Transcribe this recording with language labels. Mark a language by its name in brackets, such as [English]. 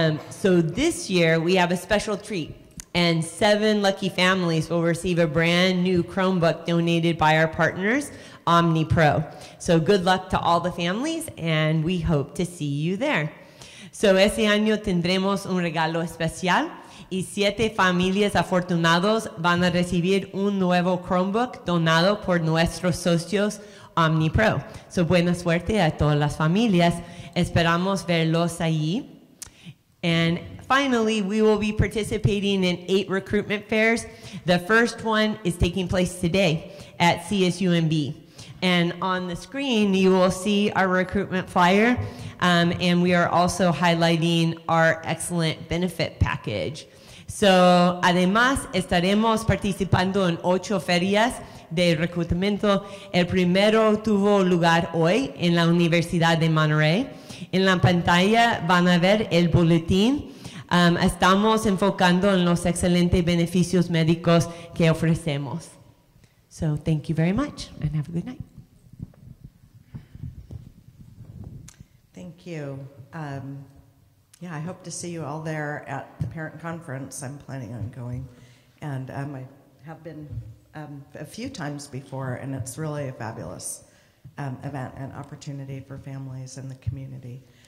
[English] So this year we have a special treat, and 7 lucky families will receive a brand new Chromebook donated by our partners, OmniPro. So good luck to all the families, and we hope to see you there. [Spanish] So ese año tendremos un regalo especial, y 7 familias afortunados van a recibir un nuevo Chromebook donado por nuestros socios OmniPro. So buena suerte a todas las familias. Esperamos verlos allí. [English] And finally, we will be participating in 8 recruitment fairs. The first one is taking place today at CSUMB. And on the screen, you will see our recruitment flyer. And we are also highlighting our excellent benefit package. [Spanish] So, además, estaremos participando en 8 ferias de reclutamiento. El primero tuvo lugar hoy en la Universidad de Monterrey. En la pantalla van a ver el boletín. Estamos enfocando en los excelentes beneficios médicos que ofrecemos. [English] So, thank you very much, and have a good night. Thank you. I hope to see you all there at the parent conference. I'm planning on going. And I have been a few times before, and it's really a fabulous event and opportunity for families and the community.